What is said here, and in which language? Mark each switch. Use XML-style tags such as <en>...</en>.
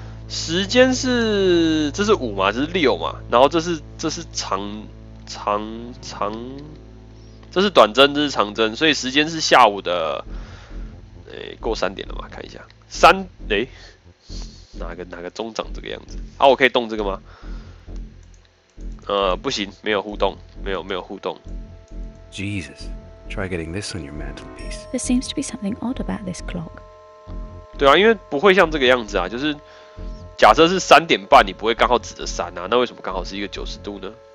<zh>时间是这是5嘛，这是6嘛，然后这是长，这是短针，这是长针，所以时间是下午的，过3点了嘛，看一下3，哪个钟长这个样子？啊，我可以动这个吗？不行，没有互动，没有互动。</zh> <en>Jesus。 Try getting this on your mantelpiece. There seems to be something odd about this clock.</en> <zh>对啊，因为不会像这个样子啊，就是假设是3:30，你不会刚好指着3啊，那为什么刚好是一个90度呢？</zh>